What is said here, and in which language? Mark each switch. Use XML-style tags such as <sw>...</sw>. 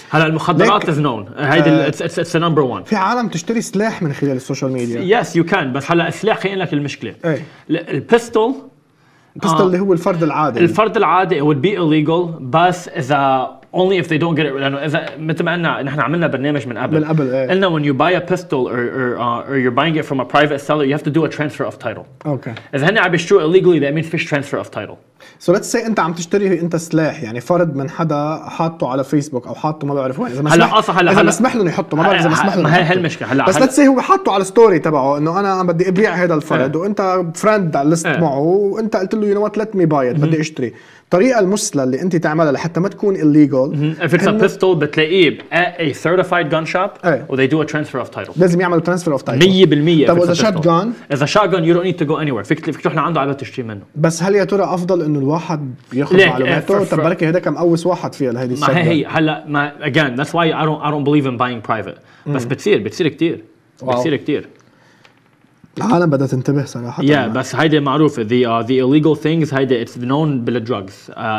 <ar>هلا المخدرات</ar> <en>is known هيدي it's the number one</en> <ar>في عالم تشتري سلاح من خلال السوشيال ميديا</ar> <en>yes you can</en> <ar>بس هلا السلاح خلينا لك المشكلة ايه البيستول اللي هو الفرد العادي الفرد العادي</ar> <en>it would be illegal</en> <ar>بس إذا</ar> <en>only if they don't get it</en> <ar>لأنه إذا مثل ما قلنا نحن عملنا برنامج من قبل ايه</ar> <en>قلنا when you buy a pistol or you're buying it from a private seller you have to do a transfer of title okay</en> <ar>إذا هني عم بيشتروا illegally that means fish</ar> <en>transfer of title so let's say</en> <ar>انت عم تشتري انت سلاح يعني فرد من حدا حاطه على فيسبوك او حاطه ما بعرف وين اذا مسمح له يحطه ما بعرف اذا مسمح له هي المشكله هلا بس</ar> <en>let's say</en> <ar>هو حاطه على ستوري تبعه انه انا بدي ابيع هذا الفرد وانت فرند على الليست معه وانت قلت له</ar> <en>you know what let me buy</en> <ar>بدي اشتري الطريقه المثلى اللي انت تعملها لحتى ما تكون illegal</ar> <en>if it's a pistol بتلاقيه a certified gun shop or they do a transfer of title</en> <ar>لازم يعملوا</ar> <en>transfer of title 100%</en> <ar>طب اذا شوتجن</ar> <en>you don't need to go anywhere</en> <ar>فيك تروح لعنده على تشتري منه بس هل يا ترى افضل انه الواحد ياخذ معلوماته طب بركي هذا كم اوس واحد فيها لهذه الشغله ما هي هلا ما</ar> <en>again that's why I don't believe in buying private</en> <ar>بس بتصير كتير العالم بدأت تنتبه صراحة. Yeah, بس هيدي معروفة.</ar> <en>The illegal things هيدي it's known by the drugs.</en>